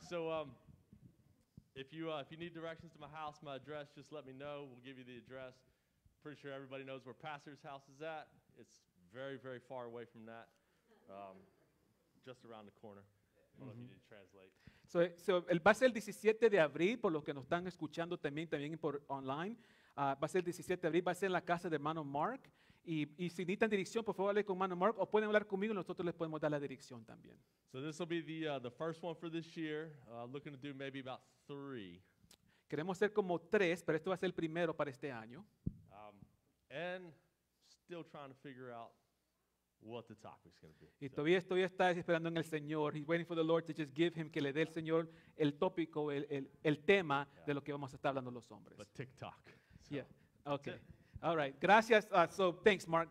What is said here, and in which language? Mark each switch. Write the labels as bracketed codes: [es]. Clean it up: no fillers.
[en] So, if you need directions to my house, my address, just let me know. We'll give you the address. Pretty sure everybody knows where Pastor's house is at. It's very, very far away from that. Just around the corner. Mm-hmm. I don't know if you need to translate. [es] So el va a ser el 17 de abril, por lo que nos están escuchando también por online. Va a ser el 17 de abril, va a ser en la casa de hermano Mark. Y si necesitan dirección, por favor, hable con hermano Mark o pueden hablar conmigo, nosotros les podemos dar la dirección también. [en] So this will be the first one for this year. Looking to do maybe about three. [es] Queremos hacer como tres, pero esto va a ser el primero para este año. [en] And still trying to figure out what the topic is going to be. [es] Y todavía estoy esperando en el Señor. [en] He's waiting for the Lord to just give him, [es] que le dé el Señor el tópico, el tema de lo que vamos a estar hablando los hombres. [en] But TikTok. So. Yeah. Okay. All right. Gracias. So thanks, Mark.